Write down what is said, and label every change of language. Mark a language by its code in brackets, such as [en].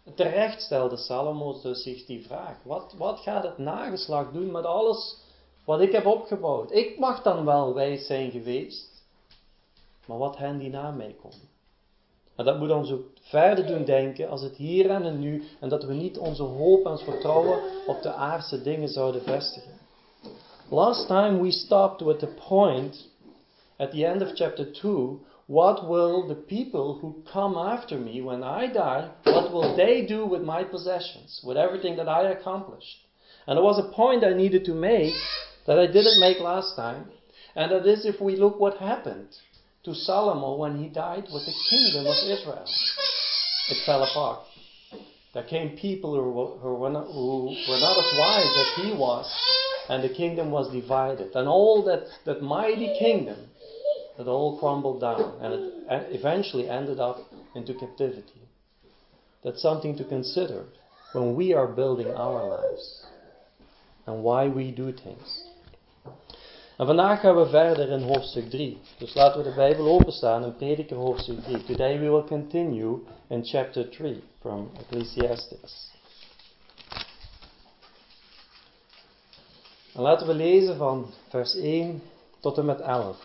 [nl] Terecht stelde Salomo dus zich die vraag, wat gaat het nageslacht doen met alles wat ik heb opgebouwd. Ik mag dan wel wijs zijn geweest, maar wat hen die na mij komen. En dat moet ons ook verder doen denken als het hier en het nu, en dat we niet onze hoop en ons vertrouwen op de aardse dingen zouden vestigen. [en] Last time we stopped with the point, at the end of chapter 2, what will the people who come after me when I die, what will they do with my possessions, with everything that I accomplished? And there was a point I needed to make that I didn't make last time. And that is if we look what happened to Salomo when he died with the kingdom of Israel. It fell apart. There came people who were not as wise as he was. And the kingdom was divided. And all that mighty kingdom, that all crumbled down. And it eventually ended up into captivity. That's something to consider when we are building our lives. And why we do things. [nl] En vandaag gaan we verder in hoofdstuk 3. Dus laten we de Bijbel openstaan in Prediker hoofdstuk 3. [en] Today we will continue in chapter 3 from Ecclesiastes. [nl] En laten we lezen van vers 1 tot en met 11.